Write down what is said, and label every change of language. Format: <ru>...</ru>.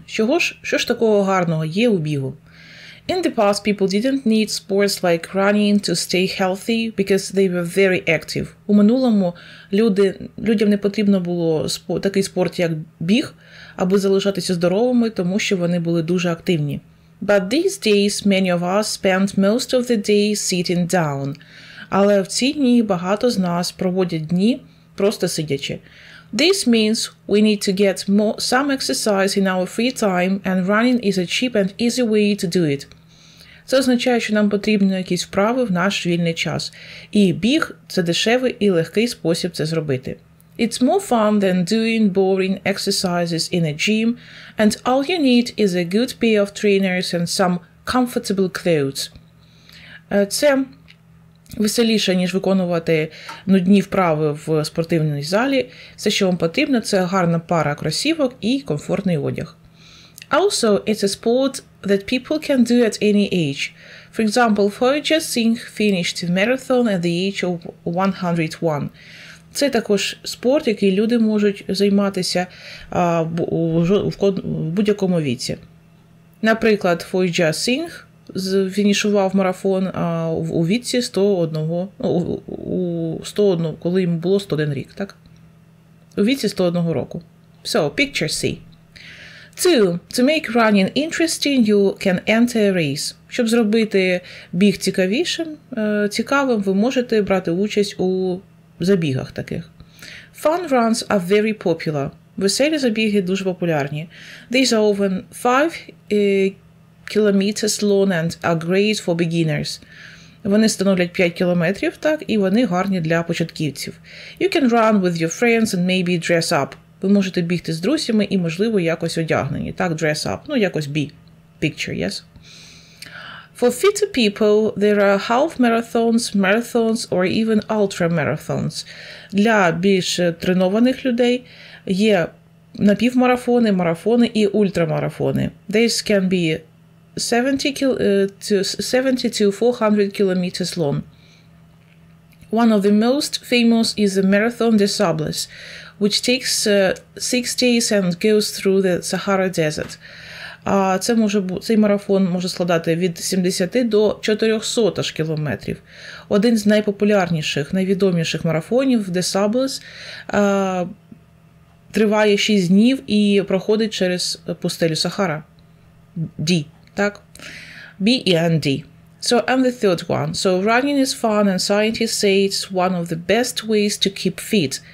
<uk>Чого ж, що ж такого гарного є у бігу?</uk> <en>In the past, people didn't need sports like running to stay healthy because they were very active.</en> <uk>У минулому людям не потрібно було такий спорт, як біг, аби залишатися здоровими, тому що вони були дуже активні.</uk> <en>But these days, many of us spend most of the day sitting down.</en> <uk>Але в ці дні багато з нас проводять дні просто сидячи.</uk> <en>This means we need to get some exercise in our free time, and running is a cheap and easy way to do it.</en> <uk>Це означає, що нам потрібні якісь вправи в наш вільний час. І біг – це дешевий і легкий спосіб це зробити.</uk> <en>It's more fun than doing boring exercises in a gym, and all you need is a good pair of trainers and some comfortable clothes.</en> <uk>Це веселіше, ніж виконувати нудні вправи в спортивній залі. Все, що вам потрібно, це гарна пара кросівок і комфортний одяг.</uk> <en>Also, it's a sport that people can do at any age. For example, Fauja Singh finished the marathon at the age of 101.</en> <uk>Це також спорт, який люди можуть займатися в будь-якому віці. Наприклад, Fauja Singh фінішував марафон у віці 101, у 101, коли йому було 101 рік, так? У віці 101 року.</uk> <en>So, picture C. 2. To make running interesting, you can enter a race.</en> <uk>Щоб зробити біг цікавішим, цікавим, ви можете брати участь у забігах таких.</uk> <en>Fun runs are very popular.</en> <uk>Веселі забіги дуже популярні.</uk> <en>These are often 5 kilometers long and are great for beginners.</en> <uk>Вони становлять 5 кілометрів, так, і вони гарні для початківців.</uk> <en>You can run with your friends and maybe dress up.</en> <uk>Ви можете бігти з друзями і, можливо, якось одягнені. Так,</uk> <en>dress up.</en> <uk>Ну, якось be.</uk> <en>Picture, yes? For fit people, there are half marathons, marathons, or even ultra marathons.</en> <uk>Для більш тренованих людей є напівмарафони, марафони і ультрамарафони.</uk> <en>These can be 70 to 400 kilometers long. One of the most famous is the Marathon des Sables, which takes 6 days and goes through the Sahara Desert.</en> <uk>А це може бути, цей марафон може складати від 70 до 400 кілометрів. Один з найпопулярніших, найвідоміших марафонів Des Sables триває 6 днів і проходить через пустелю Сахара.</uk> <en>D, так? B and D. So, and the third one. So, running is fun and scientists say it's one of the best ways to keep fit.</en>